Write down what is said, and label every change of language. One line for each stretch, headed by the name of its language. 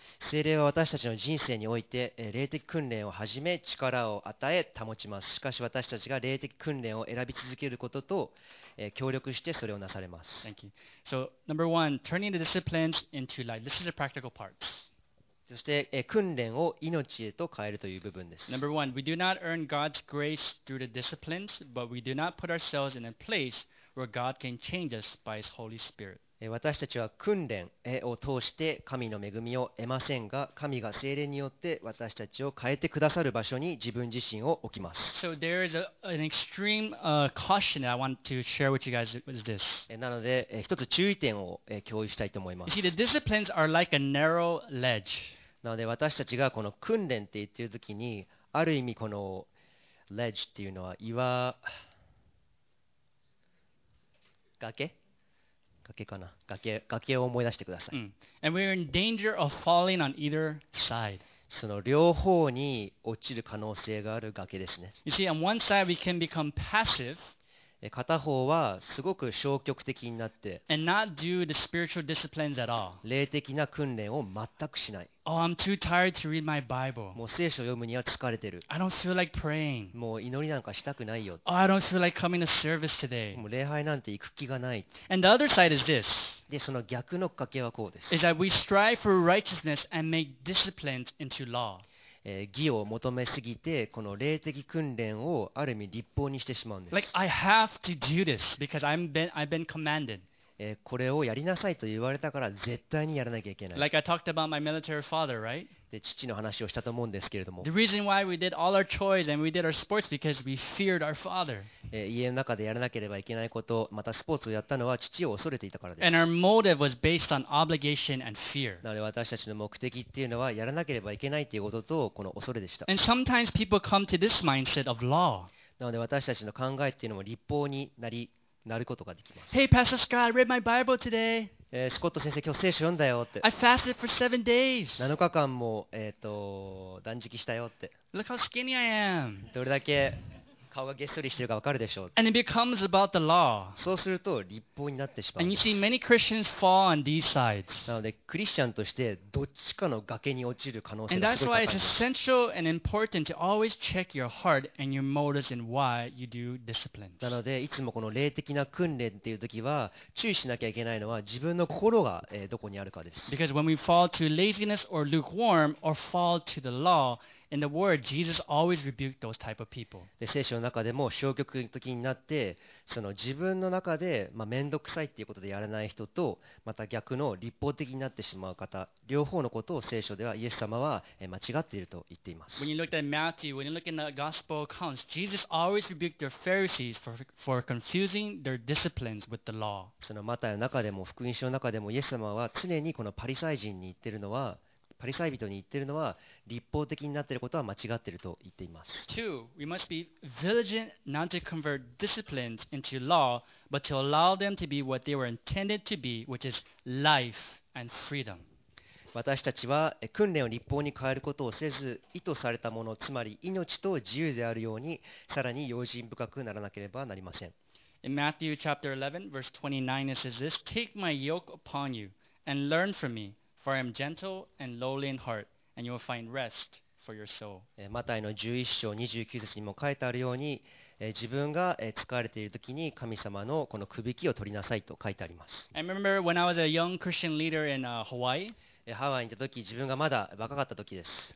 Japanese: 聖霊は私たちの人生において霊的訓練をはじめ力を与え保ちます。しかし私たちが霊的訓練を選び続けることと協力してそれをなされます。
English: Thank you. So, number one, turning the disciplines into life. This is the practical parts.
Japanese: そして訓練を命へと変えるという部分です。
English: Number one, we do not earn God's grace through the disciplines, but we do not put ourselves in a place where God can change us by His Holy Spirit.
Japanese: 私たちは訓練を通して神の恵みを得ませんが、神が聖霊によって私たちを変えてくださる場所に自分自身を置きます。
English: So there is an extreme caution that I want to share with you guys is this.
Japanese: なので、一つ注意点を共有したいと思います。
English: You see, the disciplines are like a narrow ledge.
Japanese: なので、私たちがこの訓練って言っているときに、ある意味この ledge っていうのは岩、崖? 崖かな、崖を思い出してください。 Mm.
English: And we're in danger of falling on either side.
Japanese: その両方に落ちる可能性がある崖ですね。
English: You see, on one side we can become passive.
Japanese: 片方はすごく消極的になって、
English: and not do the spiritual disciplines at all.
Japanese: 霊的な訓練を全くしない。
English: Oh, I'm too tired to read my Bible.
Japanese: もう聖書を読むには疲れてる。
English: I don't feel like praying.
Japanese: もう祈りなんかしたくないよ。
English: Oh, I don't feel like coming to service today.
Japanese: もう礼拝なんて行く気がない。
English: And the other side is this.
Japanese: で、その逆の賭けはこうです。
English: Is that we strive for righteousness and make disciplines into law.
Japanese: 義を求めすぎて、この霊的訓練をある意味立法にしてしまうんです。
English: Like, I have to do this because I've been commanded.
Japanese: これをやりなさいと言われたから絶対にやらなきゃいけない。
English: Like I talked about my military father, right?
Japanese: で、父の話をしたと思うんですけれども。
English: The reason why we did all our chores and we did our sports because we feared our father.
Japanese: 家の中でやらなければいけないこと、またスポーツをやったのは父を恐れていたからです。
English: And our motive was based on obligation and fear.
Japanese: なので私たちの目的っていうのはやらなければいけないっていうこととこの恐れでした。
English: And sometimes people come to this mindset of law.
Japanese: なので私たちの考えっていうのも立法になり、なることができます。
English: Hey, Pastor Scott, I read my Bible today.
Japanese: スコット先生、今日聖書読んだよって。
English: I fasted for 7 days.
Japanese: 7日間も、断食したよって。
English: Look how skinny I am.
Japanese: どれだけ顔がげっそりしてるかわかるでしょう。
English: And it becomes about the law.
Japanese: そうすると立法になってしまう。
English: And you see many Christians fall on these sides.
Japanese: なので、クリスチャンとしてどっちかの崖に落ちる可能性がすごい高い。
English: And that's why it's essential and important to always check your heart and your motives and why you do discipline.
Japanese: なので、いつもこの霊的な訓練っていう時は注意しなきゃいけないのは自分の心がどこにあるかです。
English: Because when we fall to laziness or lukewarm or fall to the law,In the word, Jesus always rebuked those type of people.
Japanese: で、聖書の中でも消極的になって、その自分の中で、まあ、面倒くさいっていうことでやらない人と、また逆の立法的になってしまう方、両方のことを聖書ではイエス様は間違っていると言っています。
English: When you look at Matthew, when you look at the gospel accounts, Jesus always rebuked their Pharisees for confusing their disciplines with the law.
Japanese: そのマタイの中でも福音書の中でもイエス様は常にこのパリサイ人に言ってるのは、パリサイ人に言ってるのは立法的になっていることは間違っていると言っています。
English: Two, we must be vigilant not to convert disciplines into law, but to allow them to be what they were intended to be, which is life and freedom.
Japanese: 私たちは訓練を立法に変えることをせず、意図されたもの、つまり命と自由であるように、さらに用心深くならなければなりません。
English: In Matthew chapter 11, verse 29, it says this, Take my yoke upon you and learn from me. For I am gentle and lowly in heart, and you will find rest for your soul.
Japanese: マタイの11章29節にも書いてあるように、自分が疲れているときに神様のこの首輝きを取りなさいと書いてあります。
English: I remember when I was a young Christian leader in Hawaii.
Japanese: ハワイにいたとき、自分がまだ若かったときです。